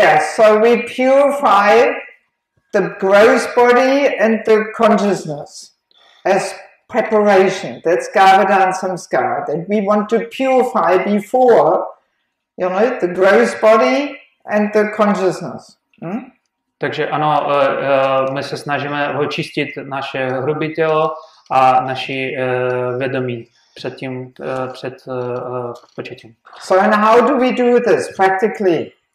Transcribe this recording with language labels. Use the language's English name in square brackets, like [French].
[English] Yes, so we purify the gross body and the consciousness as preparation. That's Garbhadhana Samskara. That we want to purify before, you know, the gross body and the consciousness. Hmm? [Czech] Takže ano, my se snažíme očistit naše hrubé tělo a naši vědomí před tím, před početím. [English] So and how do we do this practically?